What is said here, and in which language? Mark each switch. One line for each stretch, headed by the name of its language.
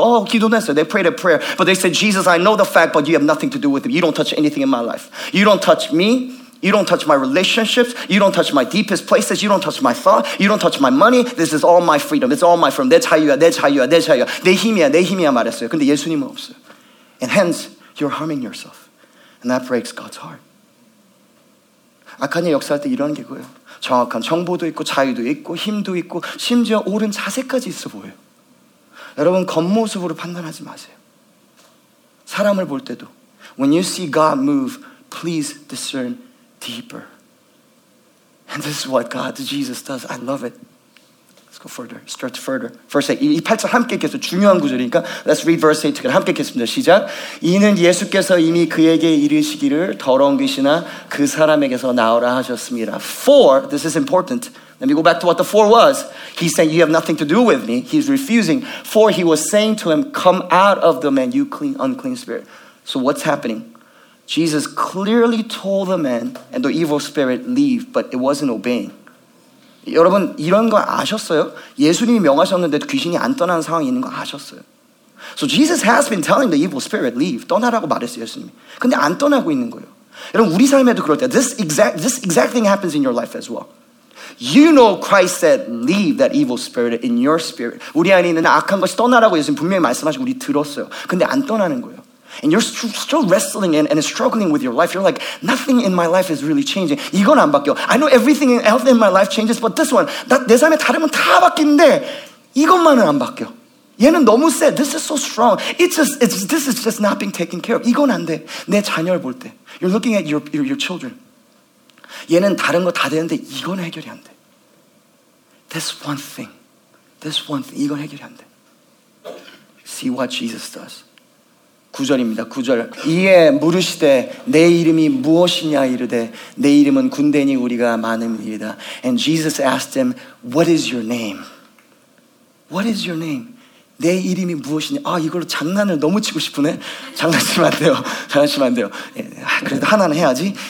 English: 어,
Korean: 기도는 했어요.
English: They prayed a prayer. But they said, Jesus, I know the fact, but you have nothing to do with me. You don't touch anything in my life. You don't touch me. You don't touch my relationships. You don't touch my deepest places. You don't touch my thought. You don't touch my money. This is all my freedom. It's all my freedom.
Korean: 내 자유야, 내 자유야, 내 자유야. 내 힘이야 말했어요. 근데 예수님은 없어요.
English: And hence, you're harming yourself. And that breaks God's heart.
Korean: 악한 일 역사할 때 이러는 게 그거예요. 정확한 정보도 있고 자유도 있고 힘도 있고 심지어 옳은 자세까지 있어 보여요. 여러분 겉모습으로 판단하지 마세요. 사람을 볼 때도
English: When you see God move, please discern deeper. And this is what God, Jesus does. I love it. Let's go further. Stretch further. Verse 8.
Korean: 이 8절 함께 계속 중요한 구절이니까
English: Let's read verse 8 together.
Korean: 함께 계속입니다. 시작. 이는 예수께서 이미 그에게 이르시기를 더러운 귀신아 그 사람에게서 나오라 하셨습니다.
English: For, this is important. Let me go back to what the for was. He said, you have nothing to do with me. He's refusing. For he was saying to him, come out of the man, you clean, unclean spirit. So what's happening? Jesus clearly told the man and the evil spirit leave, but it wasn't obeying.
Korean: 여러분, 이런 거 아셨어요? 예수님이 명하셨는데 귀신이 안 떠나는 상황이 있는 거 아셨어요?
English: So Jesus has been telling the evil spirit, leave.
Korean: 떠나라고 말했어요, 예수님이. 근데 안 떠나고 있는 거예요. 여러분, 우리 삶에도 그럴 때,
English: this exact thing happens in your life as well. You know Christ said, leave that evil spirit in your spirit.
Korean: 우리 안에 있는 악한 것이 떠나라고 예수님 분명히 말씀하시고 우리 들었어요. 근데 안 떠나는 거예요.
English: And you're still wrestling in and struggling with your life. You're like, nothing in my life is really changing.
Korean: 이건 안 바뀌어.
English: I know everything else in my life changes, but this one,
Korean: 내 삶의 다른 건 다 바뀌는데 이것만은 안 바뀌어. 얘는 너무 세.
English: This is so strong. This is just not being taken care of.
Korean: 이건 안 돼. 내 자녀를 볼 때.
English: You're looking at your children.
Korean: 얘는 다른 거 다 되는데 이건 해결이 안 돼.
English: This one thing.
Korean: 이건 해결이 안 돼.
English: See what Jesus does.
Korean: 9절입니다. 9절. 이에 물으시되 내 이름이 무엇이냐 이르되 내 이름은 군대니 우리가 많음이다.
English: And Jesus asked him, What is your name? What is your name?
Korean: 내 이름이 무엇이냐? 아, 이걸로 장난을 너무 치고 싶으네. 장난치면 안 돼요. 장난치면 안 돼요. 아, 그래도 하나는 해야지.